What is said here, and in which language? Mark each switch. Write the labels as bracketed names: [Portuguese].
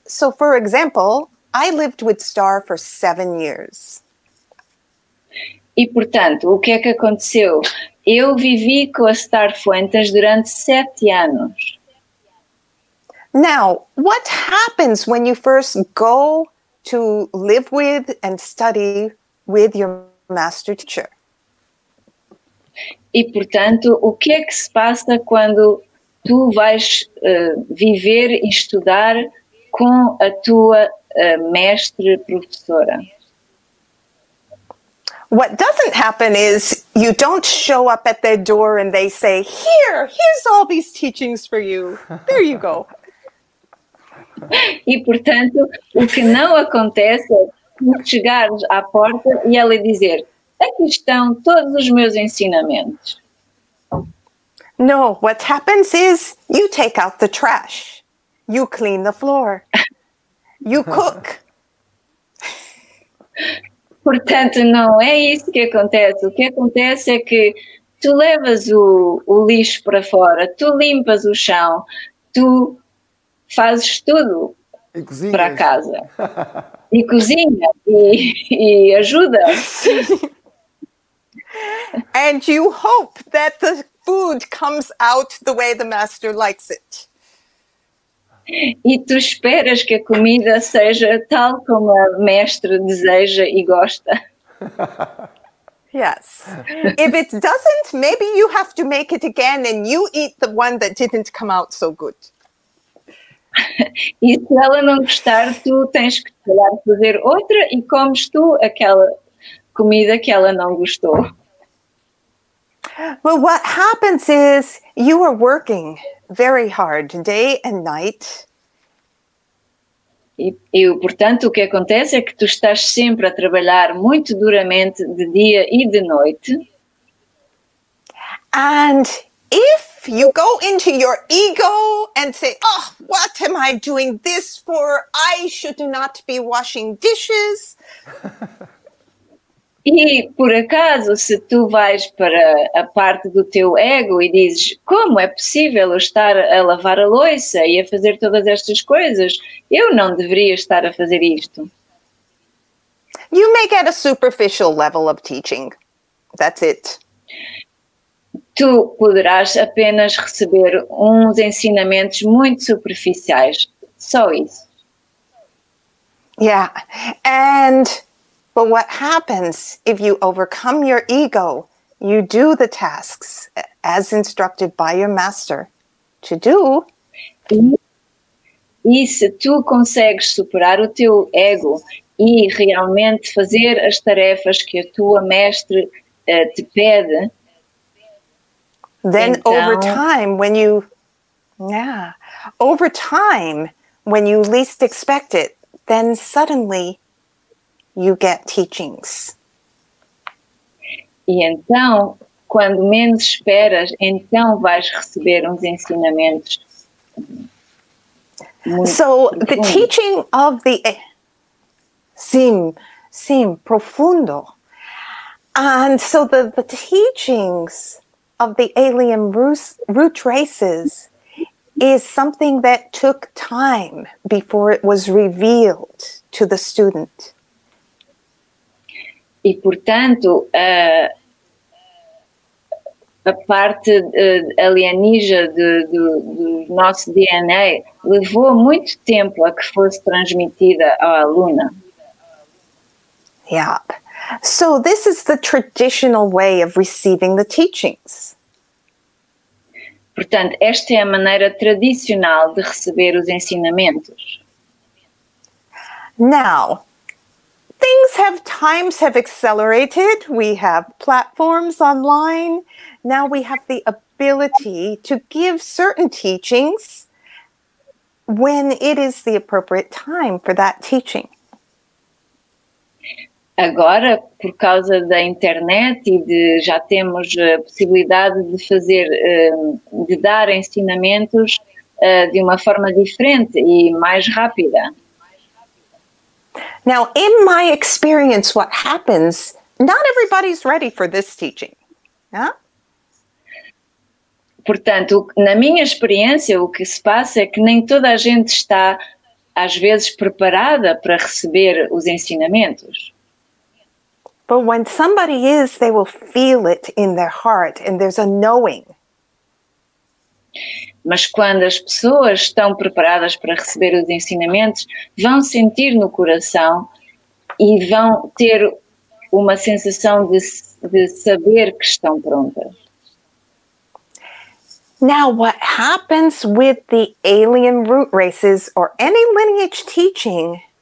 [English] So, for example, I lived with Star for 7 years. [Portuguese] E, portanto, o que é que aconteceu? Eu vivi com a Star Fuentes durante 7 anos. [English] Now, what happens when you first go to live with and study with your master teacher? [Portuguese] E, portanto, o que é que se passa quando tu vais viver e estudar com a tua mestre professora? [English] What doesn't happen is you don't show up at their door and they say, here's all these teachings for you. There you go. [Portuguese] E, portanto, o que não acontece é chegares à porta e ela dizer, aqui estão todos os meus ensinamentos. [English] No, what happens is you take out the trash. You clean the floor. You cook. [Portuguese] Portanto, não é isso que acontece. O que acontece é que tu levas o lixo para fora, tu limpas o chão, tu fazes tudo para casa. E cozinha e ajuda. [English] And you hope that the food comes out the way the master likes it. [Portuguese] E tu esperas que a comida seja tal como o mestre deseja e gosta. [English] Yes. If it doesn't, maybe you have to make it again and you eat the one that didn't come out so good. [Portuguese] E se ela não gostar, tu tens que tentar fazer outra e comes tu aquela comida que ela não gostou. [English] Well, what happens is you are working very hard day and night. [Portuguese] E portanto, o que acontece é que tu estás sempre a trabalhar muito duramente de dia e de noite. [English] And if you go into your ego and say, oh, what am I doing this for? I should not be washing dishes. [Portuguese] E por acaso, se tu vais para a parte do teu ego e dizes, como é possível eu estar a lavar a louça e a fazer todas estas coisas? Eu não deveria estar a fazer isto. [English] You may get a superficial level of teaching. That's it. [Portuguese] Tu poderás apenas receber uns ensinamentos muito superficiais. Só isso. [English] Yeah. And... But what happens if you overcome your ego, you do the tasks as instructed by your master to do? [Portuguese] E se tu consegues superar o teu ego e realmente fazer as tarefas que a tua mestre te pede, [English] then [Portuguese] então... [English] over time when you over time when you least expect it, then suddenly you get teachings. [Portuguese] E então, quando menos esperas, então vais receber uns ensinamentos. [English] So, the teaching of the [Portuguese] sim, profundo. [English] And so the teachings of the alien root races is something that took time before it was revealed to the student. [Portuguese] E, portanto, a parte alienígena do nosso DNA levou muito tempo a que fosse transmitida à aluna. [English] Yeah. So this is the traditional way of receiving the teachings. [Portuguese] Portanto, esta é a maneira tradicional de receber os ensinamentos. [English] Now... Things have, times have accelerated. We have platforms online. Now we have the ability to give certain teachings when it is the appropriate time for that teaching. [Portuguese] Agora, por causa da internet e de já temos a possibilidade de fazer, de dar ensinamentos de uma forma diferente e mais rápida. [English] Now, in my experience, what happens, not everybody's ready for this teaching. Huh? [Portuguese] Portanto, na minha experiência, o que se passa é que nem toda a gente está, às vezes, preparada para receber os ensinamentos. [English] But when somebody is, they will feel it in their heart and there's a knowing. [Portuguese] Mas quando as pessoas estão preparadas para receber os ensinamentos, vão sentir no coração e vão ter uma sensação de saber que estão prontas. [English] Now, what happens with the alien root races or any lineage teaching?